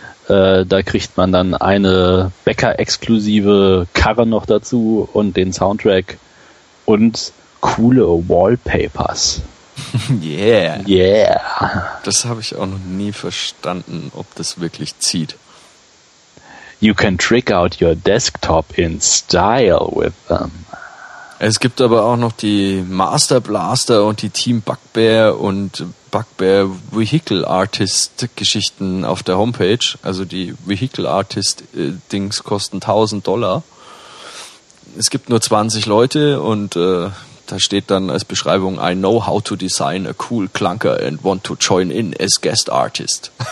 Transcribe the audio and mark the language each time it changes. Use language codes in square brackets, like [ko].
[de] Da kriegt man dann eine Bäcker-exklusive Karre noch dazu und den Soundtrack. Und coole Wallpapers. [en] Yeah. [de] Das habe ich auch noch nie verstanden, ob das wirklich zieht. [en] You can trick out your desktop in style with them. [de] Es gibt aber auch noch die Master Blaster und die Team Bugbear und Bugbear Vehicle Artist Geschichten auf der Homepage. Also die Vehicle Artist Dings kosten $1,000. Es gibt nur 20 Leute und da steht dann als Beschreibung [en] I know how to design a cool clunker and want to join in as guest artist.